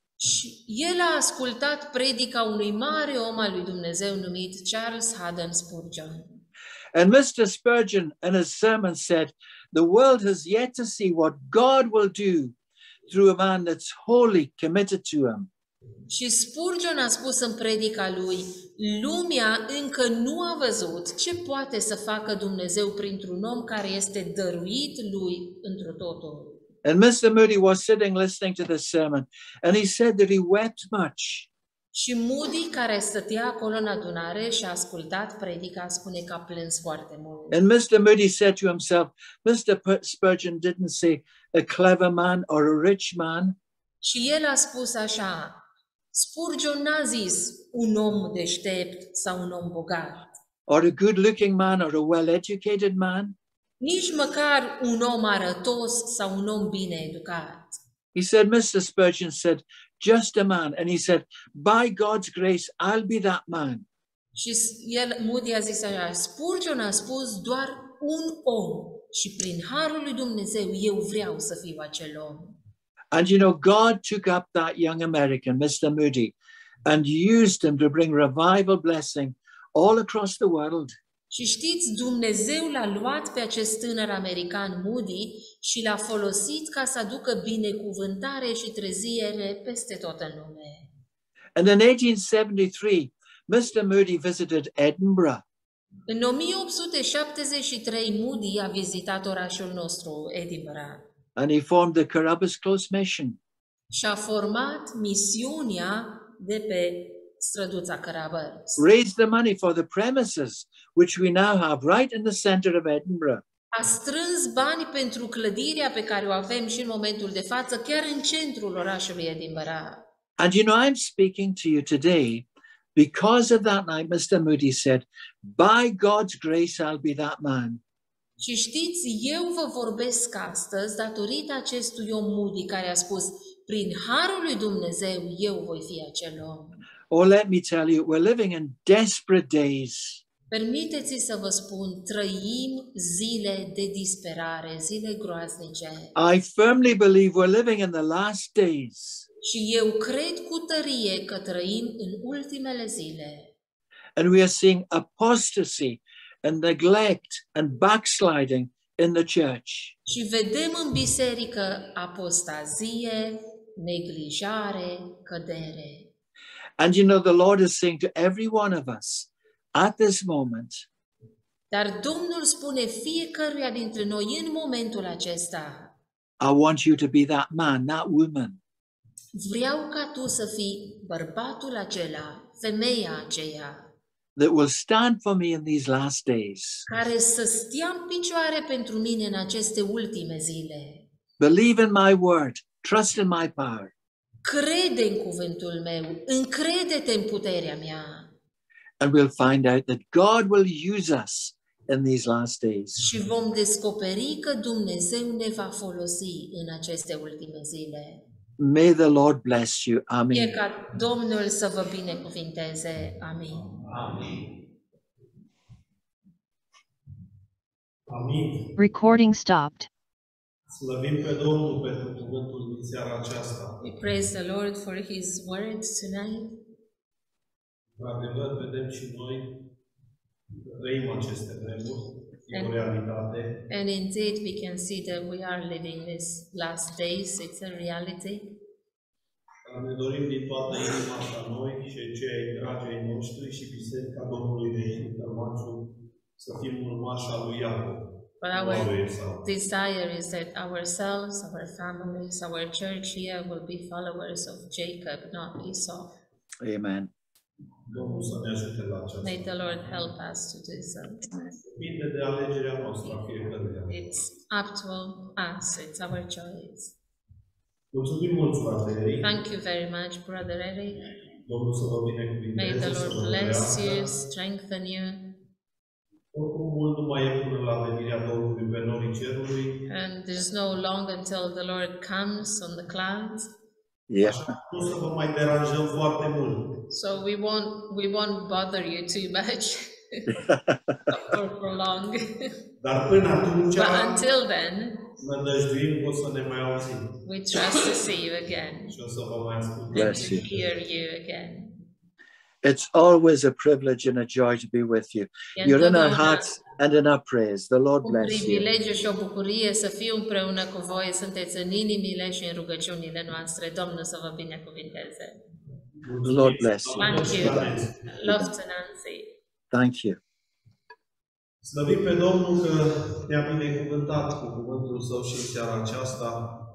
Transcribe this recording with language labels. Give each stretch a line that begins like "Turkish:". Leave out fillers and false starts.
Romanian: Și el a ascultat predica unui mare om al lui Dumnezeu numit Charles Haddon Spurgeon.
English: And Mr. Spurgeon in his sermon said, "The world has yet to see what God will do through a man that's wholly committed to him."
Romanian: Și Spurgeon a spus în predica lui, lumea încă nu a văzut ce poate să facă Dumnezeu printr-un om care este dăruit lui întru totul.
English: And Mr. Moody was sitting listening to the sermon and he said that he wept much.
Romanian: Și Moody, care stătea acolo în adunare și a ascultat predica, spune că a plâns foarte mult.
English: And Mr. Moody said to himself, Mr. Spurgeon didn't say a clever man or a rich man.
Romanian: Și el a spus așa, Spurgeon n-a zis un om deștept sau un om bogat.
English: Or a good-looking man or a well-educated man.
Romanian: Nici măcar un om arătos sau un om bine educat.
English: He said, Mr. Spurgeon said, just a man. And he said, by God's grace, I'll be that man.
Romanian: Și el, Moody, a zis așa, Spurgeon a spus doar un om și prin harul lui Dumnezeu eu vreau să fiu acel om.
English: And you know, God took up that young American, Mr. Moody, and used him to bring revival blessing all across the world.
Romanian: Și știți, Dumnezeu l-a luat pe acest tânăr american, Moody, și l-a folosit ca să aducă binecuvântare și treziere peste tot în lume.
English: And in 1873, Mr. Moody visited Edinburgh.
Romanian: În 1873, Moody a vizitat orașul nostru, Edinburgh.
English: And he formed the Carabas Close Mission.
Romanian: Și-a format misiunea de pe străduța Carabas.
English: Raised the money for the premises, which we now have right in the center of Edinburgh.
Romanian: A strâns bani pentru clădirea pe care o avem și în momentul de față, chiar în centrul orașului Edinburgh.
English: And you know, I'm speaking to you today because of that night, Mr. Moody said, by God's grace, I'll be that man.
Romanian: Și știți, eu vă vorbesc astăzi datorită acestui om Moody care a spus, prin harul lui Dumnezeu, eu voi fi acel om.
English: Oh, let me tell you, we're living in desperate days.
Romanian: Permiteți-mi să vă spun, trăim zile de disperare, zile groaznice.
English: I firmly believe we're living in the last days.
Romanian: Și eu cred cu tărie că trăim în ultimele zile.
English: And we are seeing apostasy and neglect and backsliding in the church.
Romanian: Și vedem în biserică apostazie, neglijare, cădere.
English: And you know, the Lord is saying to every one of us at this moment.
Romanian: Dar Domnul spune fiecăruia dintre noi în momentul acesta.
English: I want you to be that man, that woman.
Romanian: Vreau ca tu să fii bărbatul acela, femeia aceea.
English: That will stand for me in these last days.
Romanian: Care să stea în picioare pentru mine în aceste ultime zile.
English: Believe in my word, trust in my power.
Romanian: Crede în cuvântul meu, încrede-te în puterea mea.
English: And we'll find out that God will use us in these last days.
Romanian: Și vom descoperi că Dumnezeu ne va folosi în aceste ultime zile.
English: May the Lord bless you. Amen.
Romanian: Fie ca Domnul să vă binecuvinteze. Amin. Amin. Amin.
English: Recording stopped.
Romanian: Slăvim pe Domnul pentru cuvântul din seara aceasta.
English: We praise the Lord for his word tonight.
Romanian: Într-adevăr, vedem și noi, trăim aceste vremuri, e o realitate.
English: And indeed, we can see that we are living these last days, it's a reality.
Romanian: Ne dorim din toată inima asta noi și cei dragi ai noștri și biserica Domnului de aici, Talmaciu, să fim urmașa lui Iată.
English: But our desire is that ourselves, our families, our church here will be followers of Jacob, not Esau. Amen.
Romanian: Domnul să ne ajute la aceasta.
English: May the Lord help us to do so.
Romanian: Depinde de alegerea noastră, fiecare.
English: It's up to us, it's our choice.
Romanian: Mulțumim mult, frate Eric.
English: Thank you very much, brother Eric.
Romanian: Domnul să vă binecuvinteze.
English: May the Lord bless you, strengthen you.
Romanian: Oricum mult nu mai e până la venirea Domnului pe norii cerului.
English: And there's no long until the Lord comes on the clouds. Yes.
Romanian: Nu să vă mai deranjăm foarte mult.
English: So we won't bother you too much. for long.
Romanian: Dar până atunci,
English: but until then,
Romanian: nădăjduim că o să ne mai auzim.
English: We trust to see you again.
Romanian: Și o să vă mai ascultăm.
English: Yes, to hear you again. It's always a privilege and a joy to be with you. You're in our hearts and in our prayers. The Lord bless you.
Romanian: Un privilegiu și o bucurie să fiu împreună cu voi. Sunteți în inimile și în rugăciunile noastre. Domnul să vă binecuvinteze.
English: The Lord bless you. Thank you. Love to Nancy. Thank you.
Romanian: Slăvim pe Domnul că ne-a binecuvântat cu cuvântul Său și în seara aceasta.